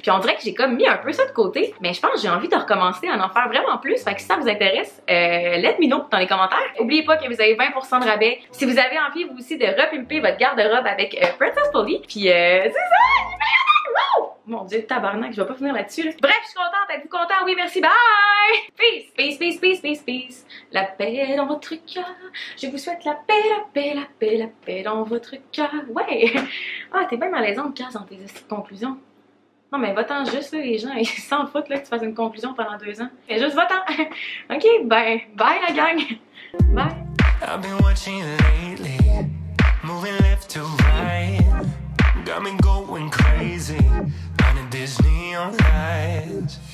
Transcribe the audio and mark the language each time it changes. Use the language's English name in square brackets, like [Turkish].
[French] Puis on dirait que j'ai comme mis un peu ça de côté. Mais je pense que j'ai envie de recommencer à en faire vraiment plus. Fait que si ça vous intéresse, [English] let me know [French] dans les commentaires. Oubliez pas que vous avez 20% de rabais. Si vous avez envie, vous aussi, de repimper votre garde-robe avec Princess Polly. Puis c'est ça! Mon dieu, tabarnak, je vais pas finir là-dessus. Là. Bref, je suis contente, êtes-vous contente? Oui, merci, bye! [English] Peace, peace, peace, peace, peace, peace. [French] La paix dans votre cœur. Je vous souhaite la paix, la paix, la paix, la paix dans votre cœur. Ouais! Ah, t'es bien malaisante, Cass, dans tes conclusions. Non, mais va-t'en juste, là, les gens, ils s'en foutent là, que tu fasses une conclusion pendant 2 ans. Mais juste va-t'en! Ok, ben, bye, la gang! Bye! [English] I've been watching lately, moving left to right. Got me going crazy, finding this neon light.